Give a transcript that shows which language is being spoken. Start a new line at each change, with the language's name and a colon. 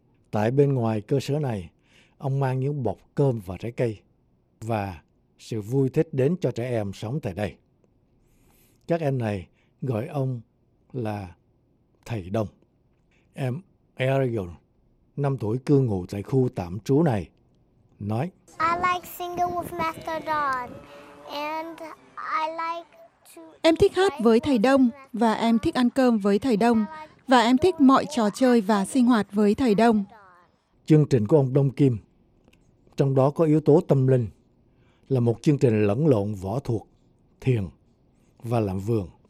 Vietnamese: Tại bên ngoài cơ sở này, ông mang những bọc cơm và trái cây và sự vui thích đến cho trẻ em sống tại đây. Các em này gọi ông là thầy Đông. Em Ariel, 5 tuổi cư ngụ tại khu tạm trú này, nói:
English: I like singing with Master Don and I like to...
Vietnamese: Em thích hát với thầy Đông và em thích ăn cơm với thầy Đông và em thích mọi trò chơi và sinh hoạt với thầy Đông. Chương trình của ông Đông Kim, trong đó có yếu tố tâm linh, là một chương trình lẫn lộn võ thuật, thiền và làm vườn.